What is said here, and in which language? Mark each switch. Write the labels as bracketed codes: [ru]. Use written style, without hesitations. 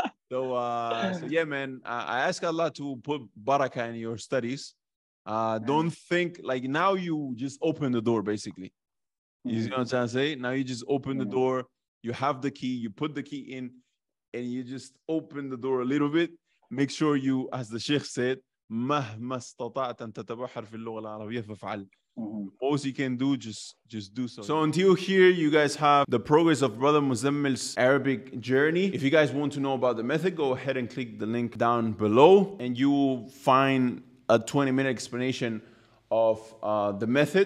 [en] so yeah, man, I ask Allah to put barakah in your studies. Don't think like now you just open the door, basically. You see what I'm trying to say? Now you just open the door, you have the key, you put the key in. And you just open the door a little bit. Make sure you, as the Sheikh said, [ar] مهما استطعت أن تتبحر في اللغة العربية فافعل. [en] Most you can do, just do so. So until here, you guys have the progress of Brother Muzammil's Arabic journey. If you guys want to know about the method, go ahead and click the link down below and you will find a 20-minute explanation of the method.